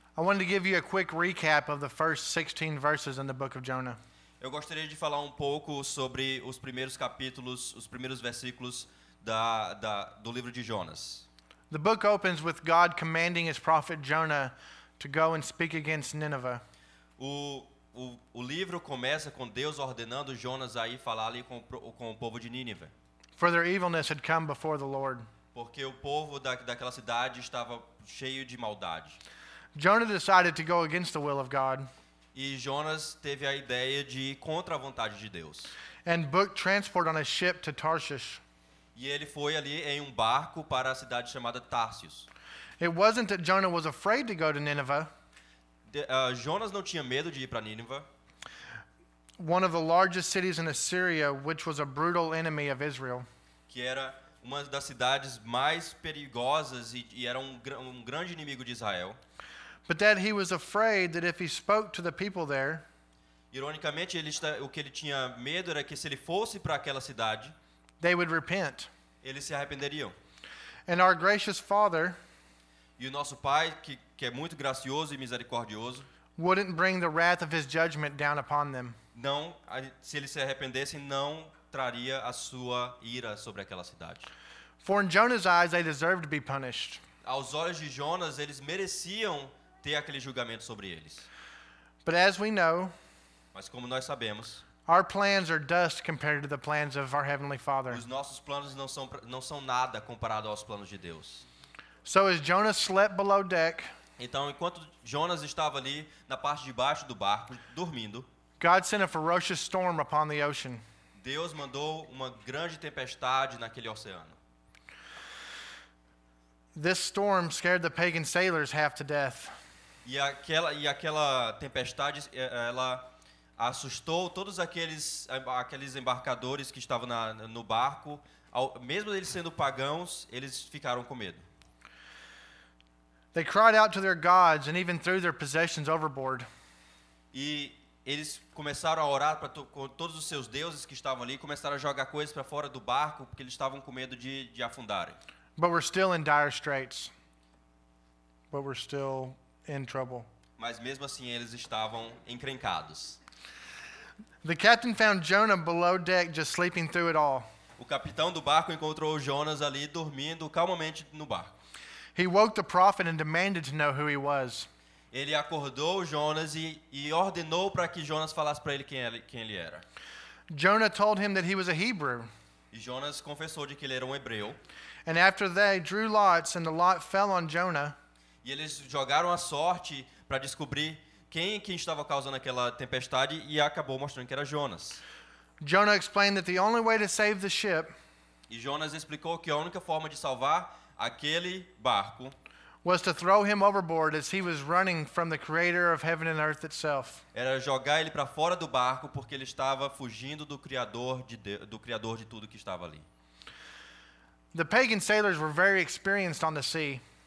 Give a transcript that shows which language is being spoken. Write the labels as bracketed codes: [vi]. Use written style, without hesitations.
[en] I wanted to give you a quick recap of the first 16 verses in the book of Jonah. [pt] Eu gostaria de falar um pouco sobre os primeiros capítulos, os primeiros versículos do livro de Jonas. [en] The book opens with God commanding his prophet Jonah to go and speak against Nineveh. [pt] O livro começa com Deus ordenando Jonas a ir falar ali com o povo de Nínive. [en] For their evilness had come before the Lord. [pt] Porque o povo daquela cidade estava cheio de maldade. [en] Jonah decided to go against the will of God. [pt] E Jonas teve a ideia de ir contra a vontade de Deus. [en] And booked transport on a ship to Tarshish. [pt] E ele foi ali em um barco para a cidade chamada Tarsus. [en] It wasn't that Jonah was afraid to go to Nineveh. [pt] Jonas não tinha medo de ir para Nínive. [en] One of the largest cities in Assyria, which was a brutal enemy of Israel. [pt] Que era uma das cidades mais perigosas e era um grande inimigo de Israel. [en] But that he was afraid that if he spoke to the people there. [pt] Ironicamente, o que ele tinha medo era que se ele fosse para aquela cidade, [en] they would repent. [pt] Eles se arrependeriam. [en] And our gracious Father. [pt] E o nosso Pai, que é muito gracioso e misericordioso, [en] wouldn't bring the wrath of his judgment down upon them. [pt] Não, se eles se arrependessem, não traria a sua ira sobre aquela cidade. [en] For in Jonah's eyes, they deserved to be punished. [pt] Aos olhos de Jonas, eles mereciam ter aquele julgamento sobre eles. [en] But as we know, [pt] mas como nós sabemos, [en] our plans are dust compared to the plans of our Heavenly Father. [pt] Os nossos planos não são nada comparado aos planos de Deus. [en] So as Jonah slept below deck, [pt] então enquanto Jonas estava ali na parte de baixo do barco dormindo, [en] God sent a ferocious storm upon the ocean. [pt] Deus mandou uma grande tempestade naquele oceano. [en] This storm scared the pagan sailors half to death. [pt] E aquela tempestade ela assustou todos aqueles embarcadores que estavam no barco. Mesmo eles sendo pagãos, eles ficaram com medo. [en] They cried out to their gods and even threw their possessions overboard. [pt] E eles começaram a orar para todos os seus deuses que estavam ali, começaram a jogar coisas para fora do barco porque eles estavam com medo de afundarem. [en] But we're still in dire straits. But we're still in trouble. [pt] Mas mesmo assim eles estavam encrencados. [en] The captain found Jonah below deck just sleeping through it all. [pt] O capitão do barco encontrou Jonas ali dormindo calmamente no barco. [en] He woke the prophet and demanded to know who he was. [pt] Ele acordou Jonas e ordenou para que Jonas falasse para ele quem ele era. [en] Jonah told him that he was a Hebrew. [pt] E Jonas confessou de que ele era um hebreu. [en] And after they drew lots and the lot fell on Jonah. [pt] E eles jogaram a sorte para descobrir quem estava causando aquela tempestade e acabou mostrando que era Jonas. [en] Jonah explained that the only way to save the ship. [pt] E Jonas explicou que a única forma de salvar aquele barco [en] was to throw him overboard as he was running from the creator of heaven and earth itself. [pt] Era jogar ele para fora do barco porque ele estava fugindo do criador de tudo que estava ali. [en] The pagan sailors were very experienced on the sea.